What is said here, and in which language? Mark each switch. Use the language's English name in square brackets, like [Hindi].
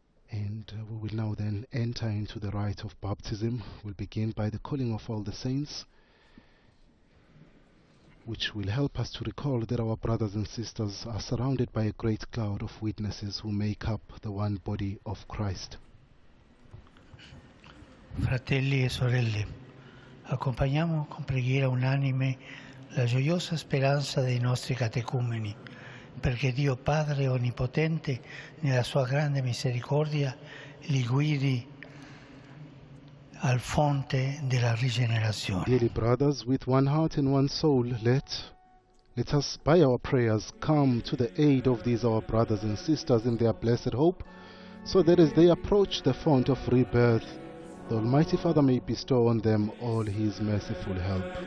[English] And we will now then enter into the rite of baptism. We'll begin by the calling of all the saints, which will help us to recall that our brothers and sisters are surrounded by a great cloud of witnesses who make up the one body of Christ. [Italian] Fratelli e sorelle, accompagniamo con preghiera unanime la gioiosa speranza dei nostri catecumeni, perché Dio Padre Onnipotente, nella sua grande misericordia, li guidi al fonte della rigenerazione. [English] Dearly brothers, with one heart and one soul, let us, by our prayers, come to the aid of these our brothers and sisters in their blessed hope, so that as they approach the font of rebirth, the Almighty Father may bestow on them all his merciful help.